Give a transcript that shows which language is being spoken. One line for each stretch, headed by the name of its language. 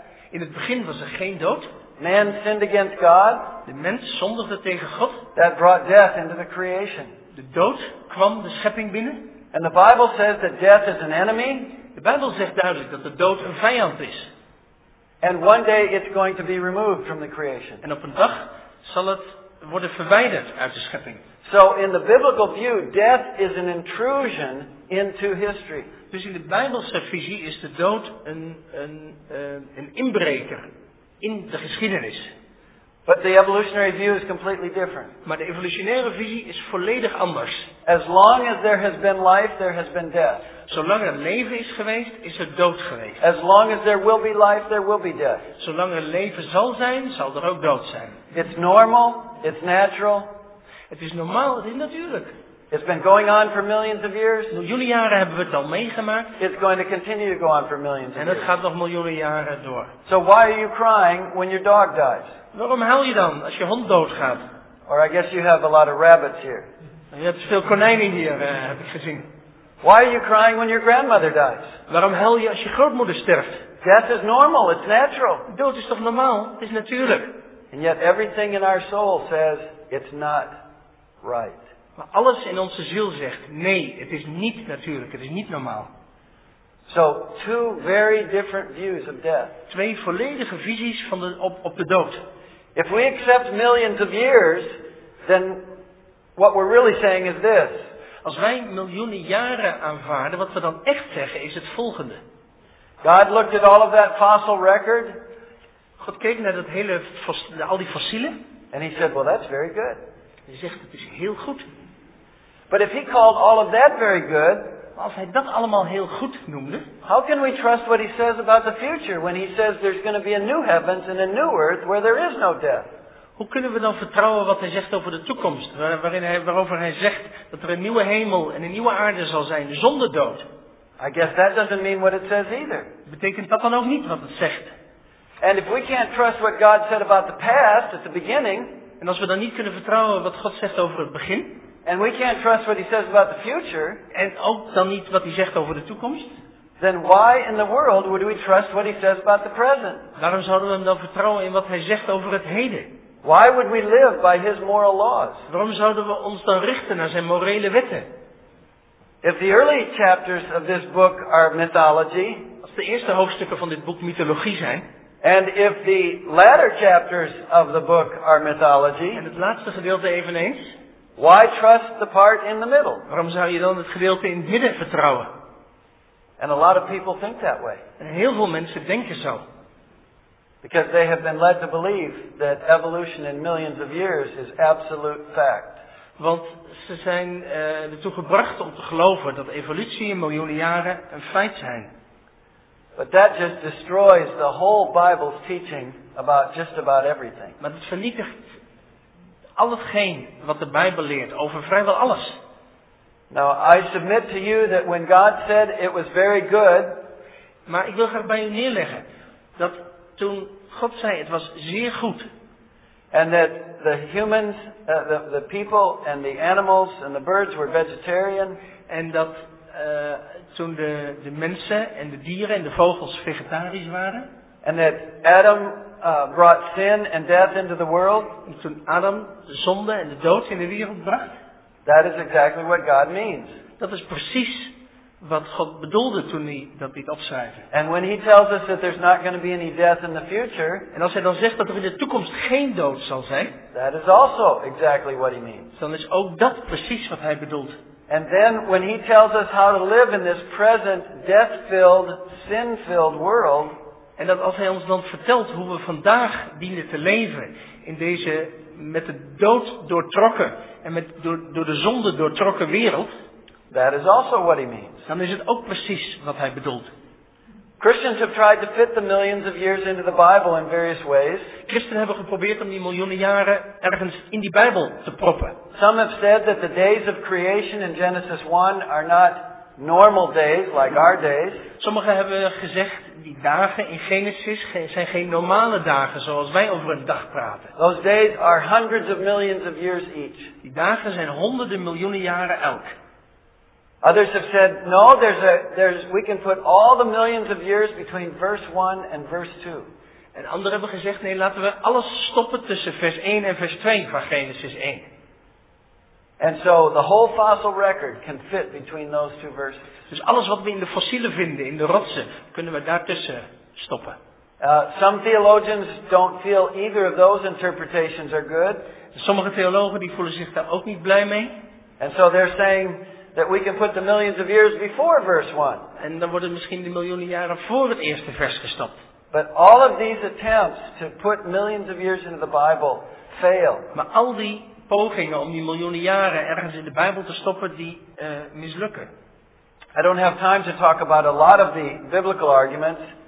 Dutch: In het begin was er geen dood.
English: Man sinned against God.
Dutch: De mens zondigde tegen God.
English: That brought death into the creation.
Dutch: De dood kwam de schepping binnen.
English: And the Bible says that death is an enemy.
Dutch: De Bijbel zegt duidelijk dat de dood een vijand is.
English: And one day it's going to be removed from the creation.
Dutch: En op een dag zal het worden verwijderd uit de schepping.
English: So in the biblical view, death is an intrusion into history.
Dutch: Dus in de Bijbelse visie is de dood een inbreker in de geschiedenis.
English: But the evolutionary view is completely different.
Dutch: Maar de evolutionaire visie is volledig anders.
English: As long as there has been life, there has been death.
Dutch: Zolang er leven is geweest, is er dood geweest.
English: As long as there will be life, there will be death.
Dutch: Zolang er leven zal zijn, zal er ook dood zijn.
English: It's normal, it's natural.
Dutch: Het is normaal, het is natuurlijk.
English: It's been going on for millions of years.
Dutch: Miljoenen jaren hebben we het al meegemaakt.
English: It's going to continue to go on for millions of
Dutch: years. En het gaat nog miljoenen jaren door.
English: So why are you crying when your dog dies?
Dutch: Waarom huil je dan als je hond doodgaat?
English: Or I guess you have a lot of rabbits here.
Dutch: Je hebt veel konijnen hier, heb ik gezien.
English: Why are you crying when your grandmother dies?
Dutch: Waarom huil je als je grootmoeder sterft?
English: Death is normal, it's natural.
Dutch: Dood is toch normaal? Het is natuurlijk.
English: And yet everything in our soul says it's not right.
Dutch: Maar alles in onze ziel zegt, nee, het is niet natuurlijk, het is niet normaal.
English: So, two very different views of death.
Dutch: Twee volledige visies van de, op de dood.
English: If we accept millions of years, then what we're really saying is this.
Dutch: Als wij miljoenen jaren aanvaarden, wat we dan echt zeggen is het volgende.
English: God looked at all of that fossil record.
Dutch: God keek naar dat hele, al die fossielen.
English: And he said, well, that's very good.
Dutch: Hij zegt, het is heel goed.
English: But if he called all of that very good,
Dutch: als hij dat allemaal heel goed noemde,
English: how can we trust what he says about the future when he says there's going to be a new heavens and a new earth where there is no death?
Dutch: Hoe kunnen we dan vertrouwen wat hij zegt over de toekomst, waarover hij zegt dat er een nieuwe hemel en een nieuwe aarde zal zijn zonder dood?
English: I guess that doesn't mean what it says either.
Dutch: Betekent dat dan ook niet wat het zegt?
English: And if we can't trust what God said about the past at the beginning,
Dutch: en als we dan niet kunnen vertrouwen wat God zegt over het begin,
English: and we can't trust what he says about the future,
Dutch: en ook dan niet wat hij zegt over de toekomst,
English: then why in the world would we trust what he says about the present?
Dutch: Waarom zouden we hem dan vertrouwen in wat hij zegt over het heden?
English: Why would we live by his moral laws?
Dutch: Waarom zouden we ons dan richten naar zijn morele wetten?
English: If the early chapters of this book are mythology,
Dutch: als de eerste hoofdstukken van dit boek mythologie zijn,
English: and if the latter chapters of the book are mythology,
Dutch: en het laatste gedeelte eveneens,
English: why trust the part in the middle?
Dutch: Waarom zou je dan het gedeelte in het midden vertrouwen?
English: And a lot of people think that way.
Dutch: En heel veel mensen denken zo.
English: Because they have been led to believe that evolution in millions of years is absolute fact.
Dutch: Want ze zijn ertoe gebracht om te geloven dat evolutie in miljoenen jaren een feit zijn.
English: But that just destroys the whole Bible's teaching about just about everything.
Dutch: Maar dat vernietigt al hetgeen wat de Bijbel leert over vrijwel alles.
English: Now I submit to you that when God said it was very good,
Dutch: maar ik wil graag bij u neerleggen dat toen God zei het was zeer goed,
English: and that the humans, the people and the animals and the birds were vegetarian,
Dutch: en dat toen de mensen en de dieren en de vogels vegetarisch waren,
English: and that Adam brought sin and death into the world,
Dutch: en toen Adam de zonde en de dood in de wereld bracht,
English: that is exactly what God means.
Dutch: Dat is precies wat God bedoelde toen hij dat liet opschrijven.
English: And when he tells us that there's not going to be any death in the future,
Dutch: en als hij dan zegt dat er in de toekomst geen dood zal zijn,
English: that is also exactly what he means.
Dutch: Dan is ook dat precies wat hij bedoelt.
English: And then when he tells us how to live in this present death-filled, sin-filled world,
Dutch: en dat als hij ons dan vertelt hoe we vandaag dienen te leven in deze met de dood doortrokken en met door de zonde doortrokken wereld,
English: that is also what he means.
Dutch: Dan is het ook precies wat hij bedoelt.
English: Christians have tried to fit the millions of years into the Bible in various ways.
Dutch: Christen hebben geprobeerd om die miljoenen jaren ergens in die Bijbel te proppen.
English: Some have said that the days of creation in Genesis 1 are not normal days like our days.
Dutch: Sommigen hebben gezegd die dagen in Genesis zijn geen normale dagen zoals wij over een dag praten.
English: Those days are hundreds of millions of years each.
Dutch: Die dagen zijn honderden miljoenen jaren elk.
English: Others have said, no, we can put all the millions of years between verse 1 and verse 2.
Dutch: En anderen hebben gezegd, nee, laten we alles stoppen tussen vers 1 en vers 2 van Genesis 1.
English: And so the whole fossil record can fit between those two verses.
Dutch: Dus alles wat we in de fossielen vinden, in de rotsen, kunnen we daartussen stoppen.
English: Some theologians don't feel either of those interpretations are good.
Dutch: Sommige theologen die voelen zich daar ook niet blij mee.
English: And so they're saying that we can put the millions of years before verse 1.
Dutch: En dan worden misschien de miljoenen jaren voor het eerste vers gestopt.
English: But all of these attempts to put millions of years into the Bible fail.
Dutch: Maar al die pogingen om die miljoenen jaren ergens in de Bijbel te stoppen, die mislukken.
English: I don't have time to talk about a lot of the biblical arguments.